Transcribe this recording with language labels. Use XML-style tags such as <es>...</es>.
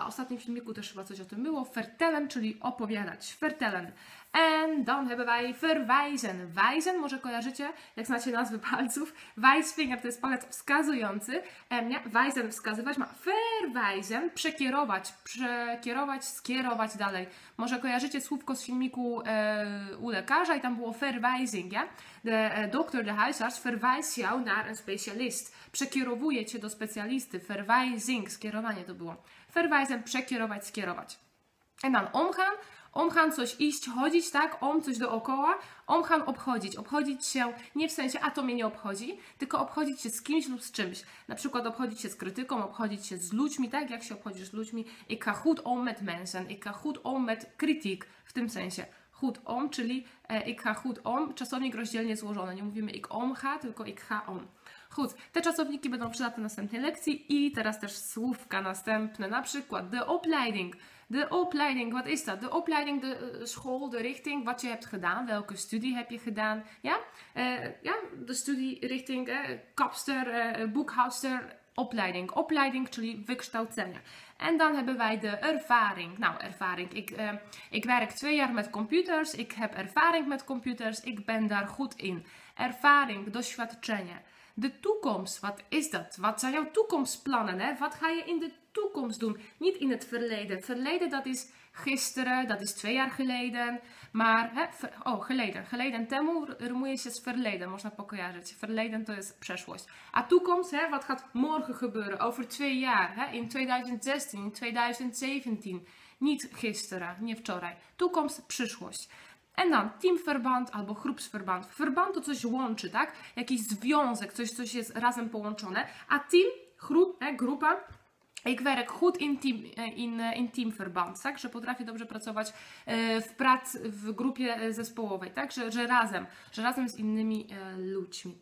<pl>W ostatnim filmiku też chyba coś o tym było. Vertellen, czyli opowiadać.</pl> <nl>Vertellen. En dan hebben wij verwijzen.</nl> <pl>Wijzen, może kojarzycie, jak znacie nazwy palców. Wijsfinger to jest palec wskazujący. Nie? Wijzen wskazywać ma. Verwijzen, przekierować. Przekierować, skierować dalej. Może kojarzycie słówko z filmiku u lekarza i tam było verwijzing, ja?</pl> <nl>De doktor, de huisarts verwijst jou naar een specialist.</nl> <pl>Przekierowuje cię do specjalisty. Verwijzing, skierowanie to było. Verwijzen, przekierować, skierować.</pl> <nl>En dan omgaan.</nl> <pl>Omgaan, coś iść, chodzić, tak? Om, coś dookoła. Omgaan, obchodzić. Obchodzić się, nie w sensie, a to mnie nie obchodzi, tylko obchodzić się z kimś lub z czymś. Na przykład obchodzić się z krytyką, obchodzić się z ludźmi, tak? Jak się obchodzisz z ludźmi?</pl> <nl>Ik ga goed om met mensen. Ik ga goed om met kritiek.</nl> <pl>W tym sensie.</pl> <nl>Goed om, czyli ik ga goed om.</nl> <pl>Czasownik rozdzielnie złożony. Nie mówimy ik om ga, tylko ik ga om. Goed, te czasowniki będą przydatne w następnej lekcji. I teraz też słówka następne. Na przykład de opleiding.</pl> <nl>De opleiding, wat is dat? De opleiding, de school, de richting, wat je hebt gedaan, welke studie heb je gedaan? Ja, ja de studierichting, kapster, boekhouder, opleiding.</nl> <pl>Opleiding, czyli wykształcenie.</pl> <nl>En dan hebben wij de ervaring. Nou, ervaring. Ik werk 2 jaar met computers, ik heb ervaring met computers, ik ben daar goed in.</nl> <pl>Ervaring, doświadczenie.</pl> <nl>De toekomst, wat is dat? Wat zijn jouw toekomstplannen? Hè? Wat ga je in de toekomst doen? Niet in het verleden. Het verleden, dat is gisteren, dat is 2 jaar geleden. Maar, hè, geleden.</nl> <pl>Geleden temu rymuje się z verleden, można pokojarzyć. Verleden to jest przeszłość.</pl> <nl>A toekomst, hè, wat gaat morgen gebeuren? Over 2 jaar, hè? In 2016, in 2017. Niet gisteren,</nl> <pl>nie wczoraj. Toekomst, przyszłość.</pl> <nl>En dan teamverband</nl> <pl>albo groepsverband. Verband to coś łączy, tak? Jakiś związek, coś, coś jest razem połączone. A team, grupa.</pl> <nl>Ik werk goed in, teamverband, tak?</nl> <pl>Że potrafię dobrze pracować w grupie zespołowej, tak? Że razem z innymi ludźmi.</pl>